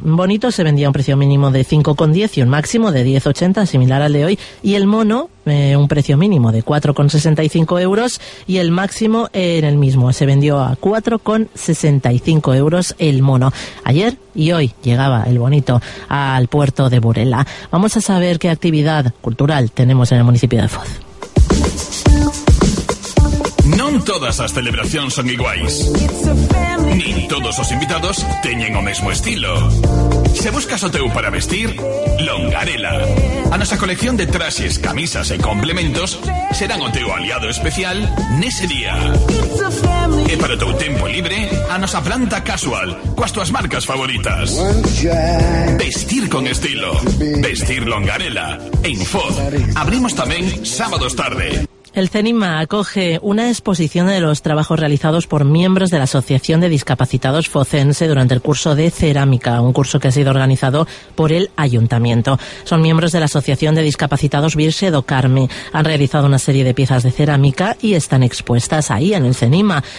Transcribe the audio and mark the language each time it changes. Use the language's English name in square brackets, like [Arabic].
[Spanish] Bonito se vendía a un precio mínimo de 5,10 y un máximo de 10,80, similar al de hoy, y el mono, un precio mínimo de 4,65 euros y el máximo en el mismo. Se vendió a 4,65 euros el mono. Ayer y hoy llegaba el bonito al puerto de Burela. Vamos a saber qué actividad cultural tenemos en el municipio de Foz. [Galician] Non todas as celebracións son iguais. Nin todos os invitados teñen o mesmo estilo. Se buscas o teu para vestir, Longarela. A nosa colección de traxes, camisas e complementos serán o teu aliado especial nese día. E para o teu tempo libre, a nosa planta casual, coas túas marcas favoritas. Vestir con estilo. Vestir Longarela. En Foz, abrimos tamén sábados tarde. [Spanish] El CENIMA acoge una exposición de los trabajos realizados por miembros de la Asociación de Discapacitados Focense durante el curso de cerámica, un curso que ha sido organizado por el Ayuntamiento. Son miembros de la Asociación de Discapacitados Virse do Carme. Han realizado una serie de piezas de cerámica y están expuestas ahí en el CENIMA.